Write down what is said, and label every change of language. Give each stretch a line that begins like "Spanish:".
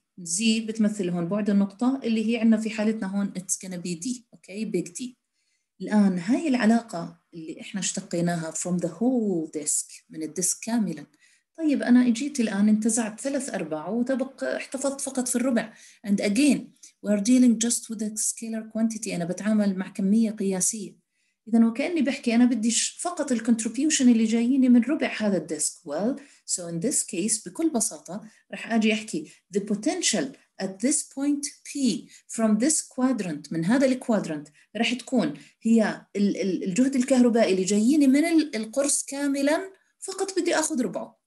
Arabic: زي بتمثل هون بعد النقطة اللي هي عندنا في حالتنا هون
English: it's gonna be D, okay, big D.
Arabic: الآن هاي العلاقة اللي إحنا اشتقيناها
English: from the whole disk,
Arabic: من الديسك كاملا. طيب أنا إجيت الآن انتزعت ثلاث أرباع وتبقى احتفظت فقط في الربع.
English: And again, we are dealing just with the scalar quantity.
Arabic: أنا بتعامل مع كمية قياسية. إذن وكأني بحكي أنا بدي فقط الكونتريبيوشن اللي جاييني من ربع هذا الديسك.
English: Well, so in this case,
Arabic: بكل بساطة رح أجي أحكي
English: the potential at this point P from this quadrant,
Arabic: من هذا الكوادرنت رح تكون هي الجهد الكهربائي اللي جاييني من القرص كاملاً, فقط بدي أخذ ربعه.